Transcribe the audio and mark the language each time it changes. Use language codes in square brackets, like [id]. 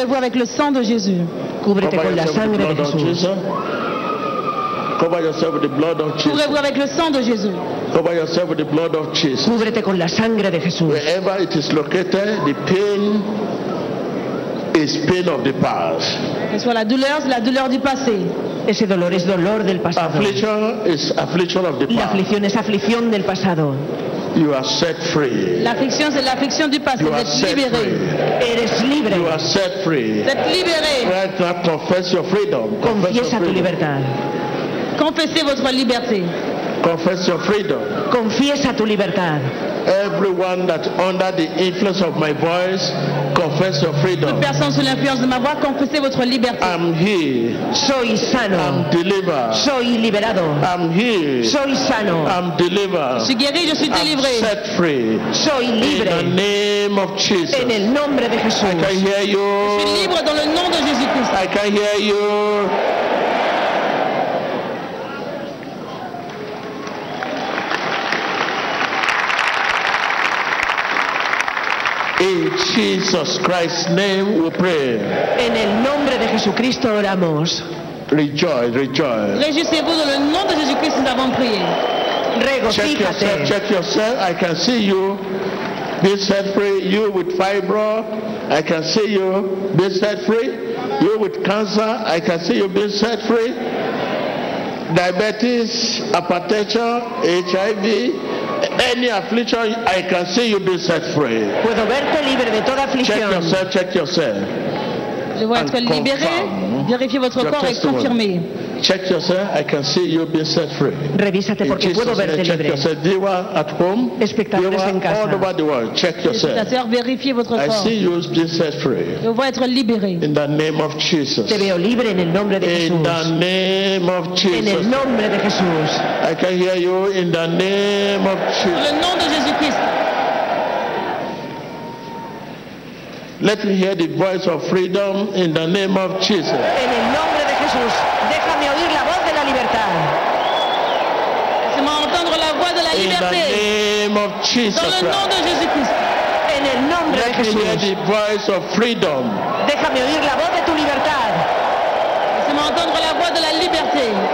[fr] Couvrez-vous avec le sang de Jésus. Couvrez-vous avec [es] la sangre [fr] de Jésus. [en] Cover yourself with the blood of Jesus. [fr] Couvrez-vous avec le sang de Jésus. [en] Cover yourself with the blood of Jesus. [fr] Couvrez-vous [es] con la sangre de Jesús. [en] Wherever it is located, the pain is pain of the past. [fr] Que soit la douleur, c'est la douleur du passé. [es] Ese dolor es dolor del pasado. [en] Affliction is affliction of the past. [es] La aflicción es aflicción del pasado. [en] You are set free. [fr] L'affliction, c'est l'affliction du passé. [en] You are set free. [es] Eres libre. [en] You are set free. [fr] C'est libéré. [en] Right now, confess your freedom. [es] Confiesa tu libertad. [fr] Confessez votre liberté. [en] Confess your freedom. [es] Confiesa tu libertad. [en] Everyone that under the influence of my voice, confess your freedom. [fr] Toute personne sous l'influence de ma voix, confessez votre liberté. [en] I'm healed. [es] Soy sano. [en] I'm delivered. [es] Soy liberado. [en] I'm healed. [es] Soy sano. [en] I'm delivered. [fr] Je suis guéri, je suis délivré. [en] I'm set free. [es] Soy libre. [en] In the name of Jesus. [es] En el nombre de Jesús. [en] I can hear you. [fr] Je suis libre dans le nom de Jésus-Christ. [en] I can hear you. In Jesus Christ's name we pray. [es] En el nombre de Jesucristo oramos. [en] Rejoice, rejoice. [fr] Réjouissez-vous dans le nom de Jésus-Christ, nous avons prié. [es] Regocíjate. [en] Check yourself, I can see you. Be set free, you with fibro, I can see you. Be set free, you with cancer, I can see you being set free. Diabetes, hypertension, HIV. Any affliction, I can see you be set free. [es] Puedo verte libre de toda aflicción. [en] Check yourself, check yourself. [fr] Je vois être libéré. Vérifiez votre corps et confirmez. [en] Check yourself, I can see you be set free. [es] Revísate porque puedo verte libre. [en] Check yourself, you are at home. [es] Espectadores en casa. [en] All over the world, check yourself. [fr] Vérifiez votre corps. [en] I see you be set free. [fr] Je vois être libéré. [en] In the name of Jesus. [es] Te veo libre en el nombre de Jesús. [en] In the name of Jesus. [es] En el nombre de Jesús. [en] I can hear you in the name of Jesus. [es] En el nombre de Jésus Christ. [en] Let me hear the voice of freedom in the name of Jesus. [es] En el nombre de Jesús, déjame oír la voz de la libertad. [fr] Laisse-moi entendre la voix de la liberté. [en] In the name of Jesus. [fr] Dans le nom de Jésus Christ. [es] En el nombre de Jesús. [en] Let me hear the voice of freedom. [es] Déjame oír la voz de tu libertad. [fr] Laisse-moi entendre la voix de la liberté.